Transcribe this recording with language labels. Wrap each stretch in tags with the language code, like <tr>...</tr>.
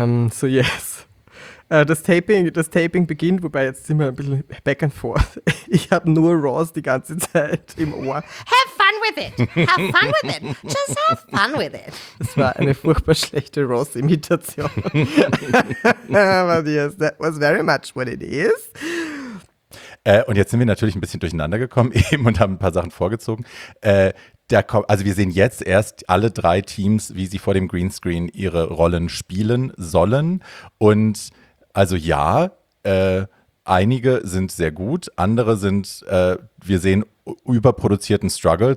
<en>So, yes.</en> <de>Das Taping beginnt, wobei jetzt sind wir ein bisschen</de> <en>back and forth.</en> <de>Ich habe nur Ross die ganze Zeit im Ohr.</de> <en>Have fun with it. Have fun with it. Just have fun with it.</en> <de>Das war eine furchtbar schlechte Ross-Imitation.</de> <en>But yes, that was very much what it is.</en> <de>Und jetzt sind wir natürlich ein bisschen durcheinander gekommen eben und haben ein paar Sachen vorgezogen. Also wir sehen jetzt erst alle drei Teams, wie sie vor dem Greenscreen ihre Rollen spielen sollen. Und also ja, einige sind sehr gut, andere sind, wir sehen überproduzierten Struggle.</de>